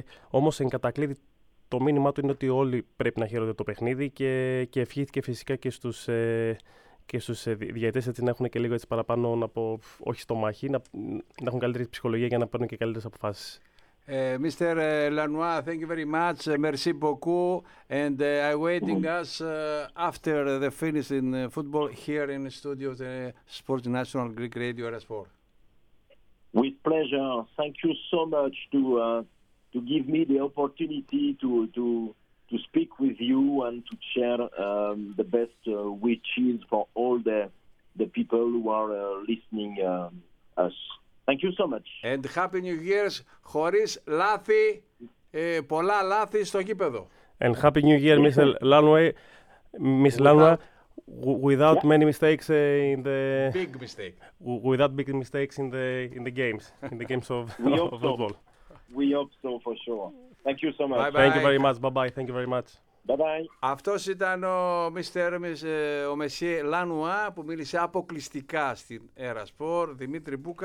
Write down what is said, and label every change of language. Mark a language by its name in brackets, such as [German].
[Greek] Όμως εν κατακλείδη το μήνυμά του είναι ότι όλοι πρέπει να χαίρονται το παιχνίδι και ευχήθηκε φυσικά και στους... και στους διαιτητές έτσι να έχουν και λίγο έτσι παραπάνω να πω, όχι στο μάχη, να έχουν καλύτερη ψυχολογία για να παίρνουν και καλύτερες αποφάσεις. [English] Mr. Lanois, thank you very much. [French] Merci beaucoup. [English] And I'm waiting us after the finish in football here in the studio of the Sport National Greek Radio RS4. With pleasure. Thank you so much to give me the opportunity to speak with you and to share the best wishes for all the people who are listening us. Thank you so much. And happy new years, [Greek] χωρίς λάθη, πολλά λάθη στο γήπεδο. [English] And happy new year, Mr. Lanway, Miss Lanway, without many mistakes in the big mistake. Without big mistakes in the games, in the games of football. We hope so for sure. Thank you so much. Bye-bye. Thank you very much. Bye-bye. Thank you very much. Bye-bye. [Greek] Αυτός ήταν ο Monsieur Lanois που μίλησε αποκλειστικά στην Eraspor. Δημήτρη Μπούκα.